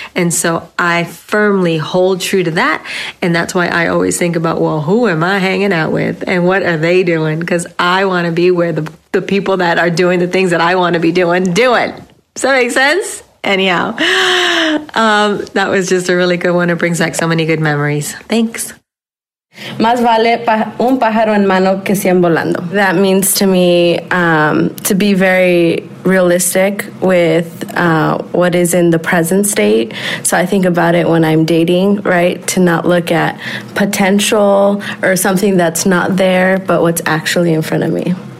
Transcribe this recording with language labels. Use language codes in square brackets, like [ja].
[en] And so I firmly hold true to that. And that's why I always think about, well, who am I hanging out with and what are they doing? Because I want to be where the people that are doing the things that I want to be doing, do it. Does that make sense? Anyhow, that was just a really good one. It brings back so many good memories. Thanks. [es] Más vale un pájaro en mano que cien volando. [en] That means to me to be very realistic with what is in the present state. So I think about it when I'm dating, right? To not look at potential or something that's not there, but what's actually in front of me.